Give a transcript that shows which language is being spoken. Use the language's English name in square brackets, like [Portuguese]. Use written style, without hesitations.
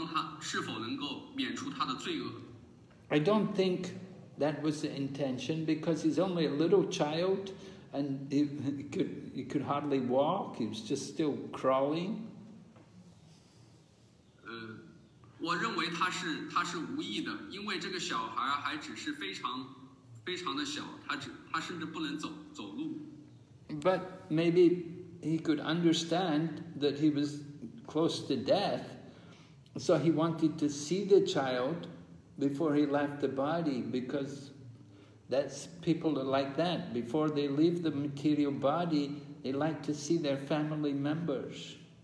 [Chinese] 我们不知道他是否了解，他在呼唤这个Narayan的名字的时候，这个能够帮他是否能够免除他的罪恶。 [English] I don't think that was the intention because he's only a little child and he could hardly walk, he was just still crawling. [Chinese] 我认为他是无意的，因为这个小孩还只是非常的小，他甚至不能走路。 [English] But maybe he could understand that he was close to death, so he wanted to see the child before he left the body, because that's people are like that. Before they leave the material body, they like to see their family members.